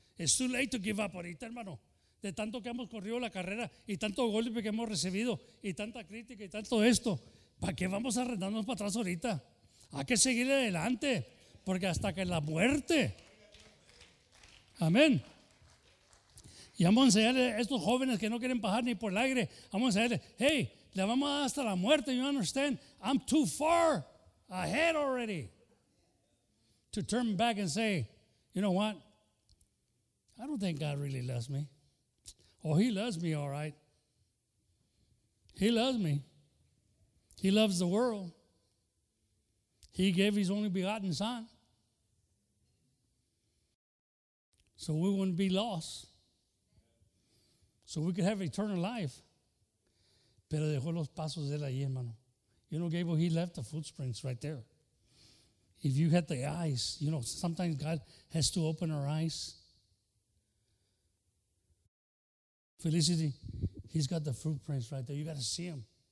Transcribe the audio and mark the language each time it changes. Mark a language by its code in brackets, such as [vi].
[en] It's too late to give up [es] ahorita, hermano. De tanto que hemos corrido la carrera y tanto golpe que hemos recibido y tanta crítica y tanto esto, ¿para qué vamos a arrendarnos para atrás ahorita? Hay que seguir adelante, porque hasta que la muerte. Amén. Y vamos a enseñarle a estos jóvenes que no quieren bajar ni por el aire. Vamos a enseñarle, hey, le vamos a dar hasta la muerte. [en] You understand? I'm too far ahead already to turn back and say, you know what? I don't think God really loves me. Oh, he loves me, all right. He loves me. He loves the world. He gave his only begotten son. so we wouldn't be lost, so we could have eternal life. [es] Pero dejó los pasos de él ahí, hermano. [en] You know, Gabriel, he left the footprints right there. If you had the eyes, you know, sometimes God has to open our eyes. Felicity, he's got the footprints right there. You got to see him.